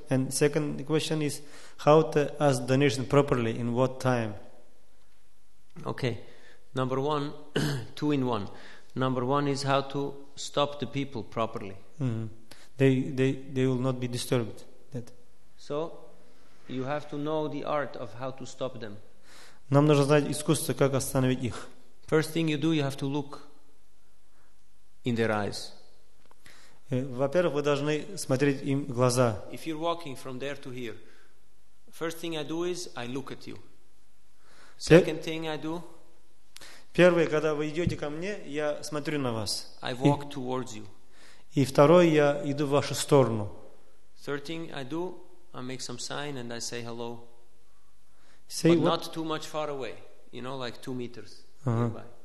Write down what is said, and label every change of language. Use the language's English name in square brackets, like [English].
[English] And second question is, how to ask donation properly, in what time? Okay, number one, two in one. Number one is how to stop the people properly. Mm-hmm. They will not be disturbed. That. So, you have to know the art of how to stop them. [Russian] Нам нужно знать искусство, как остановить их. [English] First thing you do, you have to look in their eyes. [Russian] Во-первых, вы должны смотреть им в глаза. [English] If you're walking from there to here, first thing I do is I look at you. Second thing I do. [Russian] Первое, когда вы идете ко мне, я смотрю на вас. [English] I walk towards you. [Russian] И второе, я иду в вашу сторону. [English] Third thing I do, I make some sign and I say hello. Say but what? Not too much far away, you know, like 2 meters nearby.